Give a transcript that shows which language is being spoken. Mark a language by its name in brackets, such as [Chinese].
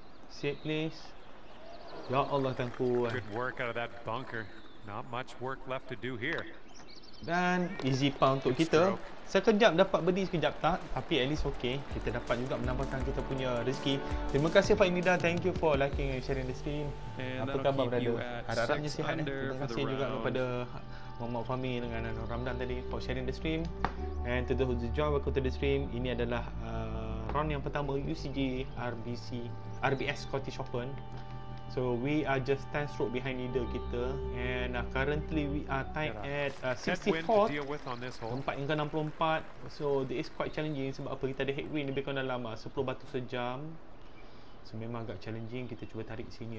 [English] Sit please. Ya Allah, thank you. Good work out of that bunker. Not much work left to do here. [Malay] Dan easy par untuk kita. Sekejap dapat birdie, sekejap tak. Tapi [English] at least okay. [Malay] Kita dapat juga menambahkan kita punya rezeki. Terima kasih Pak Inida. [English] Thank you for liking and sharing the stream. [Malay] Apa khabar brother? Harap-harapnya sihat eh. Terima kasih juga kepada Muhammad Fahmi dengan Ramdan tadi [English] for sharing the stream. And to those who join, welcome to the stream. [Malay] Ini adalah round yang pertama UCG RBS Scottish Open. [English] So we are just 10 stroke behind leader kita. And currently we are tied at 64. [Malay] Tempat yang ke 64. [English] So it is quite challenging. [Malay] Sebab apa, kita ada headwind lebih kurang dalam 10 batu sejam. So memang agak challenging. Kita cuba tarik sini.